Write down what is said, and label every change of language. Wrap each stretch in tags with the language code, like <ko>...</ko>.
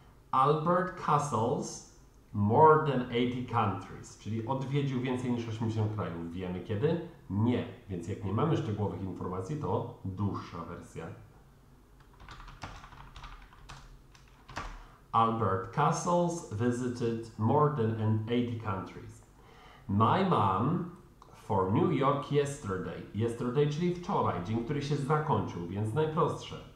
<en>Albert Castles more than 80 countries.</en> <pl>Czyli odwiedził więcej niż 80 krajów. Wiemy kiedy? Nie. Więc jak nie mamy szczegółowych informacji, to dłuższa wersja.</pl> <en>Albert Castles visited more than 80 countries. My mom for New York yesterday.</en> <pl>Yesterday, czyli wczoraj, dzień, który się zakończył, więc najprostsze.</pl>